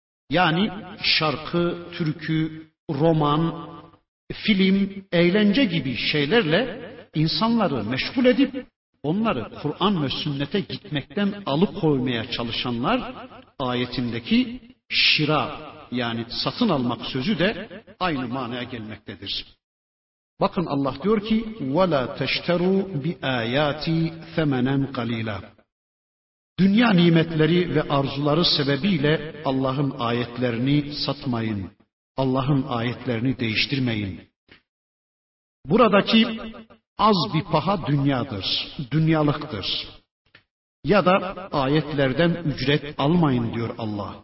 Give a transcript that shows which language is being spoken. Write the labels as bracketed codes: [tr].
[tr] Yani şarkı, türkü, roman, film, eğlence gibi şeylerle insanları meşgul edip onları Kur'an ve sünnete gitmekten alıkoymaya çalışanlar, ayetindeki şira yani satın almak sözü de aynı manaya gelmektedir. Bakın Allah diyor ki [ar] وَلَا تَشْتَرُوا بِآيَاتِ ثَمَنًا قَلِيلًا. [tr] Dünya nimetleri ve arzuları sebebiyle Allah'ın ayetlerini satmayın. Allah'ın ayetlerini değiştirmeyin. Buradaki az bir paha dünyadır, dünyalıktır. Ya da ayetlerden ücret almayın diyor Allah.